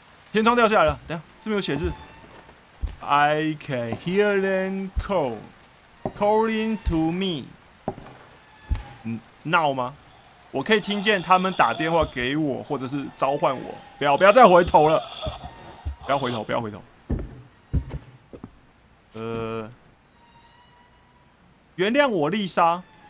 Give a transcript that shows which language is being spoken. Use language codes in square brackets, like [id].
[zh] 天窗掉下来了，等下这边有写字。 [en] I can hear them calling to me。 [zh] 嗯，闹吗？我可以听见他们打电话给我，或者是召唤我。不要再回头了，不要回头，不要回头。原谅我，丽莎。